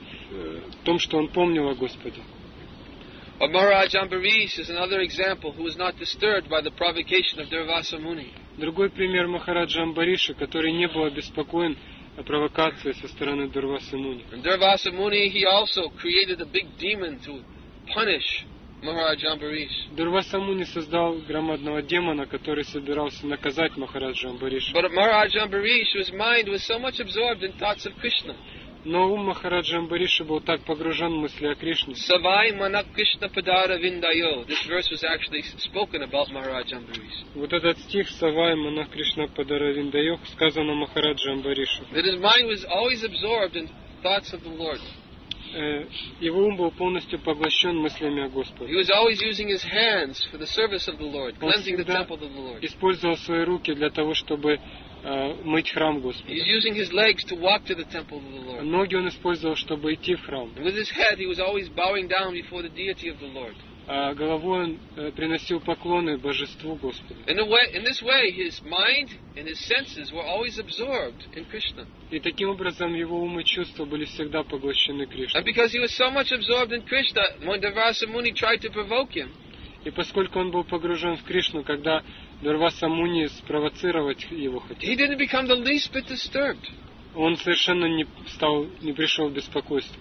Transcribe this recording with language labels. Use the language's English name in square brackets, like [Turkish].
[Russian] В том, что он помнил о Господе. [English] Or Maharaj Ambarish is another example who was not disturbed by the provocation of Durvasa Muni. [Russian] Другой пример Махараджа Амбариша, который не был обеспокоен провокацией со стороны Дурвасы Муни. [English] And Durvasa Muni, he also created a big demon to punish Maharaj Ambarish. [Russian] Durvasa Muni создал громадного демона, который собирался наказать Махараджа Амбариша. [English] But Maharaj Ambarish, his mind was so much absorbed in thoughts of Krishna. [Russian] Но ум Махараджа Амбариша был так погружен в мысли о Кришне. [Sanskrit] Савай манак Кришна падара виндайо. [English] This verse was actually spoken about Maharaj Ambarish. [Russian] Вот этот стих [Sanskrit] Савай манак Кришна падара виндайо [Russian] сказано Махараджа Амбаришу. [English] That his mind was always absorbed in thoughts of the Lord. [Russian] Его ум был полностью поглощен мыслями о Господе. [English] He was always using his hands for the service of the Lord, cleansing the temple of the Lord. [Russian] Использовал свои руки для того, чтобы мыть храм Господа. [English] He's using his legs to walk to the temple of the Lord. [Russian] Ноги он использовал, чтобы идти в храм. [English] With his head, he was always bowing down before the deity of the Lord. [Russian] а головой он приносил поклоны божеству Господу. И таким образом его ум и чувства были всегда поглощены Кришной. [English] And because he was so much absorbed in Krishna, when Durvasa Muni tried to provoke him, [Russian] и поскольку он был погружен в Кришну, когда Дурваса Муни спровоцировать его хотел, [English] he didn't become the least bit disturbed. [Russian] Он совершенно не пришел в беспокойство.